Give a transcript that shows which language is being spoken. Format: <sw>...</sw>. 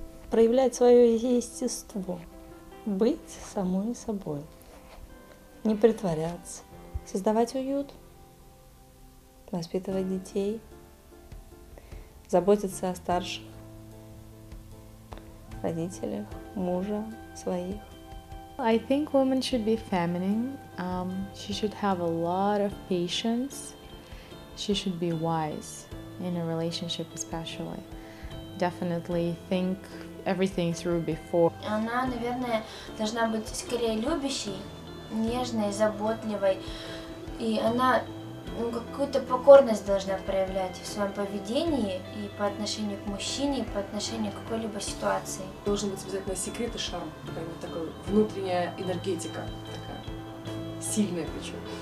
<ru>Проявлять свое естество. Быть самой собой. Не притворяться. Создавать уют, воспитывать детей, заботиться о старших, родителях, мужа, своих.</ru> <en>I think women should be feminine. She should have a lot of patience. She should be wise in a relationship especially. Definitely think everything through before.</en> <ru>Она, наверное, должна быть скорее любящей, нежной, заботливой. И она какую-то покорность должна проявлять в своем поведении и по отношению к мужчине, и по отношению к какой-либо ситуации. Должен быть обязательно секрет и шарм, какая-нибудь такая внутренняя энергетика, такая сильная причем.</ru>